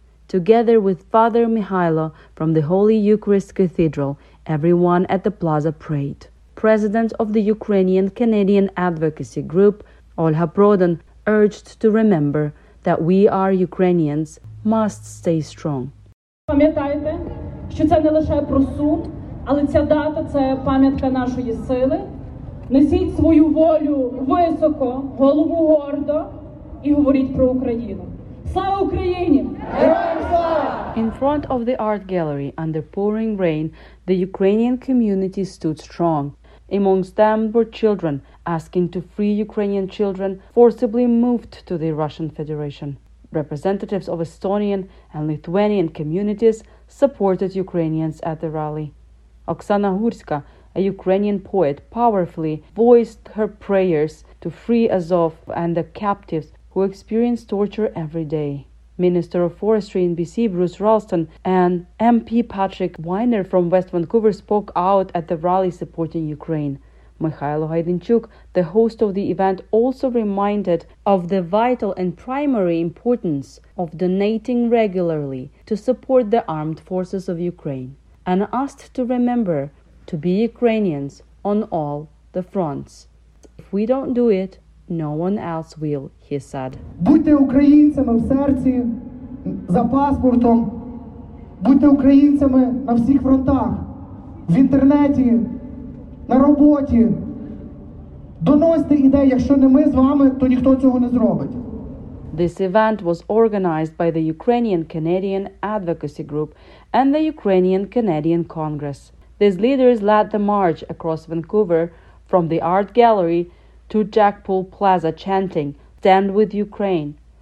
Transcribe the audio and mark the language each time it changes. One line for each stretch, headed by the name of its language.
English: Together with Father Mihailo from the Holy Eucharist Cathedral, everyone at the plaza prayed. President of the Ukrainian-Canadian Advocacy Group, Olha Prodan, urged to remember that we are Ukrainians, must stay strong.
Ukrainian: Пам'ятайте, що це не лише про суд, але ця дата – це пам'ятка нашої сили. Несіть свою волю високо, голову гордо і говоріть про Україну.
English: In front of the art gallery, under pouring rain, the Ukrainian community stood strong. Amongst them were children asking to free Ukrainian children forcibly moved to the Russian Federation. Representatives of Estonian and Lithuanian communities supported Ukrainians at the rally. Oksana Hurska, a Ukrainian poet, powerfully voiced her prayers to free Azov and the captives who experience torture every day. Minister of Forestry in BC Bruce Ralston and MP Patrick Weiner from West Vancouver spoke out at the rally supporting Ukraine. Mykhailo Haydinchuk, the host of the event, also reminded of the vital and primary importance of donating regularly to support the armed forces of Ukraine and asked to remember to be Ukrainians on all the fronts. If we don't do it, no one else will, he said.
Ukrainian: Будьте українцями в серці, за паспортом. Будьте українцями на всіх фронтах, в інтернеті, на роботі. Доносьте ідеї, якщо не ми з вами, то ніхто цього не зробить.
English: This event was organized by the Ukrainian-Canadian Advocacy Group and the Ukrainian-Canadian Congress. These leaders led the march across Vancouver from the art gallery to Jackpool Plaza chanting, Stand with Ukraine.